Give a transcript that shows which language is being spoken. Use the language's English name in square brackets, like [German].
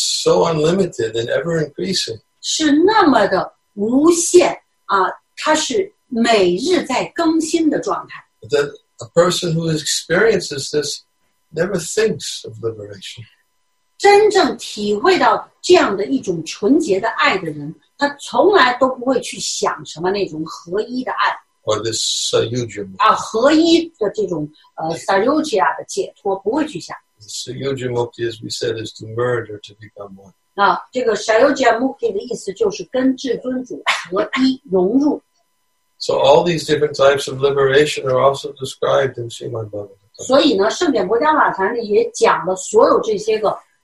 [English] so unlimited and ever increasing. [Chinese] 是那么的无限啊！它是每日在更新的状态。 [English] That a person who experiences this never thinks of liberation. [Chinese] 真正体会到这样的一种纯洁的爱的人，他从来都不会去想什么那种合一的爱。 [English] Or this Sayujya. [Chinese] 合一的这种Sayujya 的解脱，不会去想。 [English] The Sayujya Mukti, as we said, is to merge or to become one. [Chinese] 这个 Sayujya Mukti 的意思就是跟至尊主合一融入。 [English] So all these different types of liberation are also described in Srimad Bhagavatam. [Chinese] 所以呢，圣典国家瓦坛里也讲了所有这些个。